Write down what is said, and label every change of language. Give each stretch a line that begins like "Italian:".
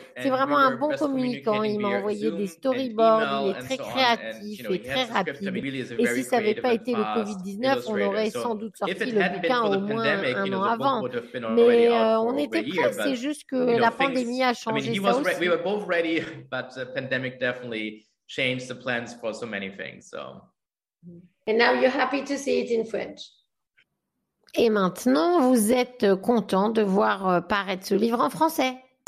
French: C'est vraiment un bon communicant. Il m'a envoyé des storyboards, il est très créatif et très rapide. Et si ça n'avait pas été le Covid-19, on aurait sans doute sorti le bouquin au moins un an avant. Mais on était prêts, c'est juste que la pandémie a changé ça aussi.
English: We were both ready, but the pandemic definitely changed the plans for so many things. So. And now you're happy to see it in French.
French: Et maintenant, vous êtes content de voir paraître ce livre en français.